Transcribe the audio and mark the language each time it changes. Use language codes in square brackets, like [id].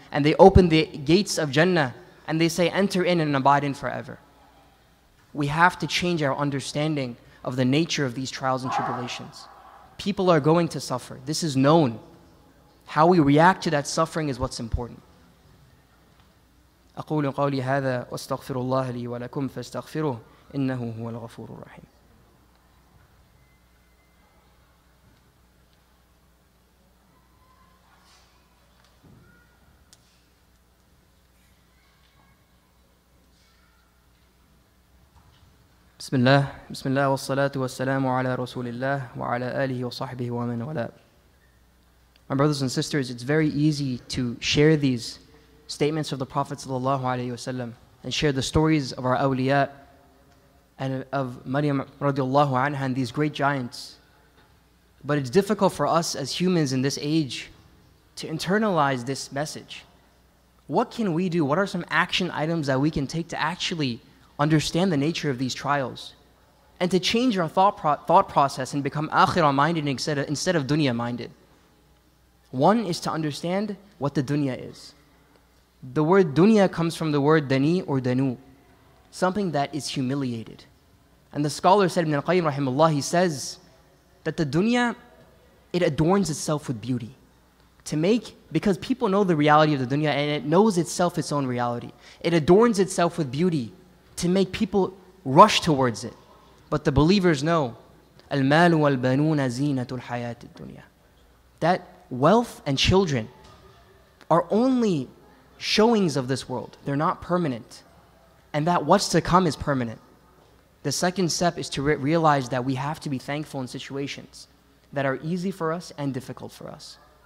[en] And they open the gates of Jannah and they say, enter in and abide in forever. We have to change our understanding of the nature of these trials and tribulations. People are going to suffer. This is known. How we react to that suffering is what's important. [ar] أقول قولي هذا واستغفر الله لي ولكم فاستغفروه إنه هو الغفور الرحيم. بسم الله بسم الله والصلاة والسلام على رسول الله وعلى آله وصحبه ومن والاه. [en] My brothers and sisters, it's very easy to share these statements of the Prophet sallallahu alayhi wasallam and share the stories of our awliya and of Maryam radiallahu anha and these great giants. But it's difficult for us as humans in this age to internalize this message. What can we do? What are some action items that we can take to actually understand the nature of these trials and to change our thought process and become akhirah minded instead of dunya minded? One is to understand what the dunya is. The word dunya comes from the word dani or danu, something that is humiliated. And the scholar said, Ibn al-Qayyim rahimahullah, he says that the dunya, it adorns itself with beauty. Because people know the reality of the dunya and it knows itself its own reality. It adorns itself with beauty to make people rush towards it. But the believers know, [ar] المال والبنون زينة الحياة الدنيا. [en] That wealth and children are only showings of this world. They're not permanent. And that what's to come is permanent. The second step is to realize that we have to be thankful in situations that are easy for us and difficult for us.